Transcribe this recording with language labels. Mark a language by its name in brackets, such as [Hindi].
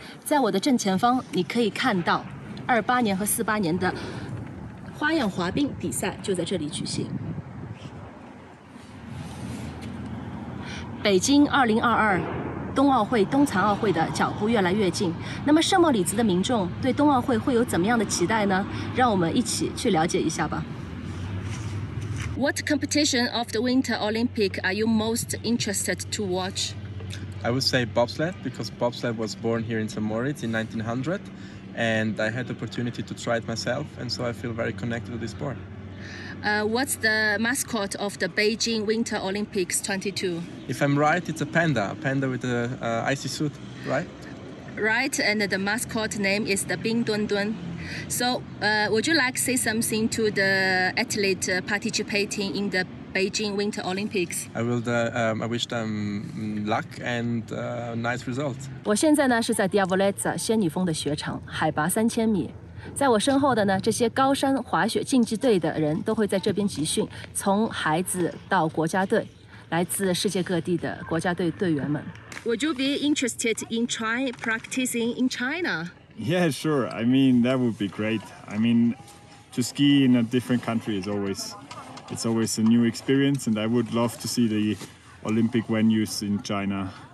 [Chinese] 在我的正前方你可以看到28年和48年的花样滑冰比赛就在这里举行。北京2022冬奥会、冬残奥会的脚步越来越近，那么圣莫里兹的民众对冬奥会会有怎么样的期待呢？让我们一起去了解一下吧。 [English] What competition of the Winter Olympic are you most interested to watch? I would say bobsled, because bobsled was born here in St. Moritz in 1900, and I had the opportunity to try it myself, and so I feel very connected to this sport. What's the mascot of the Beijing Winter Olympics 22? If I'm right, it's a panda with an icy suit, right? Right, and the mascot name is the Bing Dun Dun. So, would you like to say something to the athlete participating in the Beijing Winter Olympics? I wish them luck and nice results. [Chinese] 我现在呢是在 Diavoletta 仙女峰的雪场，海拔3000米。在我身后的呢，这些高山滑雪竞技队的人都会在这边集训，从孩子到国家队，来自世界各地的国家队队员们。 [English] Would you be interested in try practicing in China? Yeah, sure. I mean, that would be great. I mean, to ski in a different country is always, it's always a new experience. And I would love to see the Olympic venues in China.